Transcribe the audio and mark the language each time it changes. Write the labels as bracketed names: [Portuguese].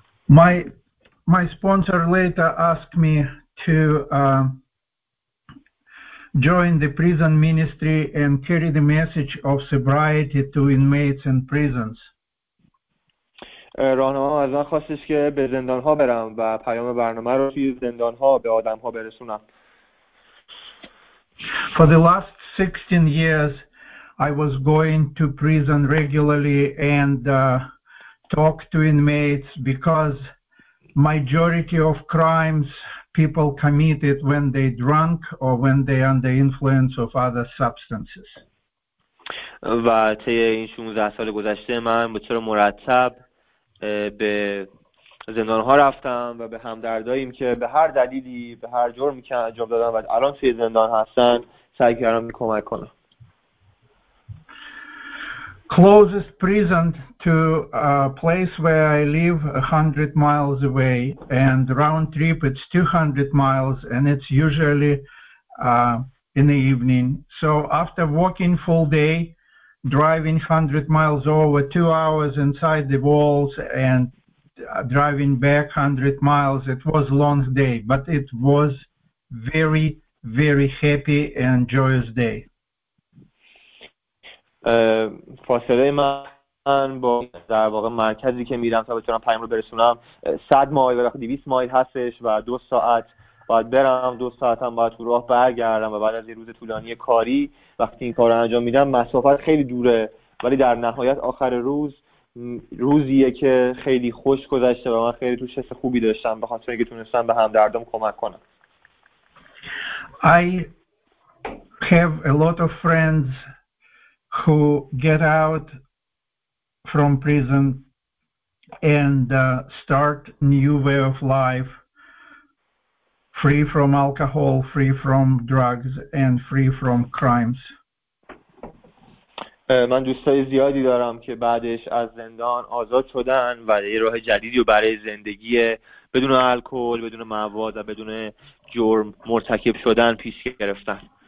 [English] My sponsor later asked me to join the prison ministry and carry the message of sobriety to inmates and prisons. [Persian] راهنما از من خواستش که به زندان ها برم و پیام برنامه رو توی زندان ها به آدم ها برسونم. [English] For the last 16 years, I was going to prison regularly and talk to inmates because majority of crimes people committed when they drunk or when they under influence of other substances. [Persian] و طی این 16 سال گذشته من به طور مرتب به زندان ها رفتم و به همدردهایم که به هر دلیلی به هر جرمی که انجام دادن و الان توی زندان هستن سعی کردم کمک کنم. [English] Closest prison to a place where I live 100 miles away and round trip it's 200 miles and it's usually in the evening. So after walking full day, driving 100 miles over, 2 hours inside the walls and driving back 100 miles, it was a long day, but it was very, very happy and joyous day. [Persian] فاصله من با در واقع مرکزی که میرم تا بتونم پیام رو برسونم 100 مایل و 200 مایل هستش و 2 ساعت باید برم، 2 ساعت هم باید تو راه برگردم و بعد از یه روز طولانی کاری وقتی این کار رو انجام میدم مسافت خیلی دوره، ولی در نهایت آخر روز روزیه که خیلی خوش گذشته و من خیلی توش حس خوبی داشتم به خاطر اینکه تونستم به هم دردم کمک کنم. [English] I have a lot of friends who get out from prison and start new way of life, free from alcohol, free from drugs, and free from crimes. [Persian] من دوستای زیادی دارم که بعدش از زندان آزاد شدن و یه راه جدیدی رو برای زندگی بدون الکل، بدون مواد و بدون جرم مرتکب شدن پیش گرفتن.